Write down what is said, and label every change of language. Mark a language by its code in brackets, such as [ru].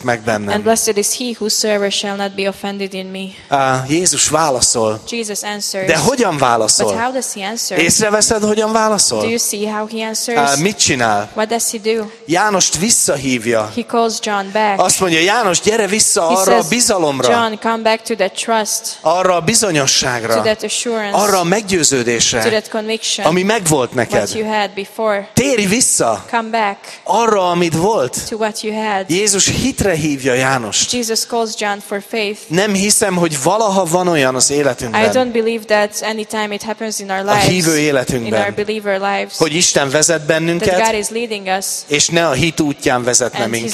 [en] And blessed is he whosoever shall not be offended in me. [hu] Jézus válaszol. [en] Jesus answers. [hu] De hogyan válaszol? [en] But how does he answer? [hu] Észreveszed, hogyan válaszol? [en] Do you see how he answers? [hu] Mit csinál? [en] What does he do? [hu] Jánost visszahívja. [en] He calls John back. [hu] Azt mondja, János, gyere vissza arra a bizalomra. [en] John, come back to that trust. [hu] Arra a bizonyosságra. [en] To that assurance. [hu] Arra a meggyőződésre. [en] To that conviction. [hu] Ami megvolt neked. [en] What you had before. [hu] Térj vissza. [en] Come back. [hu] Arra, amit volt. [en] To what you had. [hu] Jézus hitre hívja Jánost. [en] Jesus calls John for faith. [hu] Nem hiszem, hogy valaha van olyan az életünkben. [en] I don't believe that any time it happens in our lives. [hu] A hívő életünkben. [en] In our believer lives. [hu] Hogy Isten vezet bennünket. [en] That God is leading us. [hu] És ne a hit útján vezetne minket.